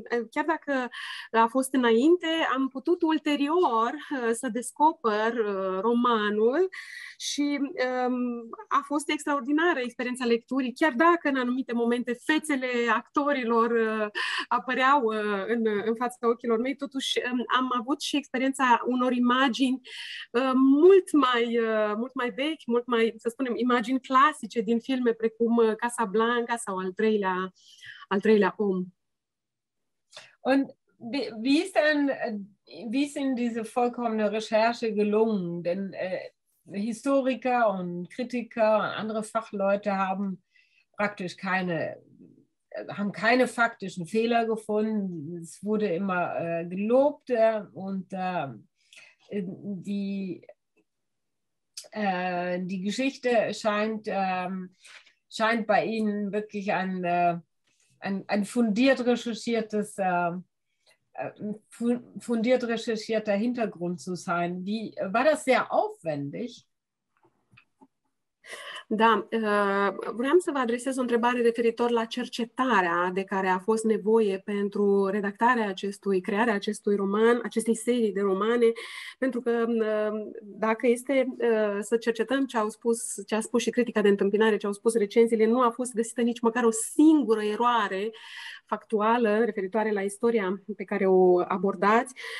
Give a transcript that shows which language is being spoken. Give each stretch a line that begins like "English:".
Romanian: Chiar dacă a fost înainte, am putut ulterior să descoper romanul și a fost extraordinară experiența lecturii, chiar dacă în anumite momente fețele actorilor apăreau în fața ochilor mei, totuși am avut și experiența unor imagini mult mai vechi, mult mai, să spunem, imagini clasice din filme precum Casa Blanca sau Al treilea om.
German: Und wie ist denn diese vollkommene Recherche gelungen? Denn Historiker und Kritiker und andere Fachleute haben keine faktischen Fehler gefunden. Es wurde immer gelobt und die Geschichte scheint bei Ihnen wirklich ein fundiert recherchierter Hintergrund zu sein. Wie war das sehr aufwendig?
Romanian: Da, vreau să vă adresez o întrebare referitor la cercetarea de care a fost nevoie pentru redactarea acestui, crearea acestui roman, acestei serii de romane, pentru că dacă este să cercetăm ce a spus și critica de întâmpinare, ce au spus recenziile, nu a fost găsită nici măcar o singură eroare factuală referitoare la istoria pe care o abordați.